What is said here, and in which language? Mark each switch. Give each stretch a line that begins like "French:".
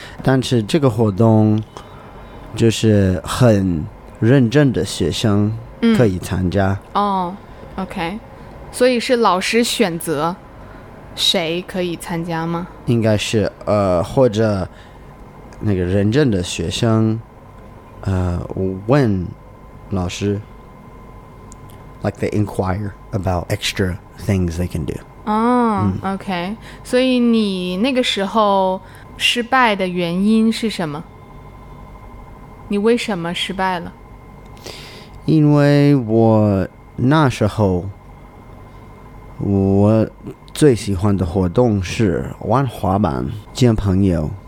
Chinese: 但是这个活动就是很认真的学生可以参加。哦、OK， 所以是老师选择谁可以参加吗？应该是，或者那个认真的学生。问老师
English: like they inquire about extra things they can do. Okay.
Chinese: 所以你那个时候失败的原因是什么？你为什么失败了？因为我那时候我最喜欢的活动是玩滑板见朋友。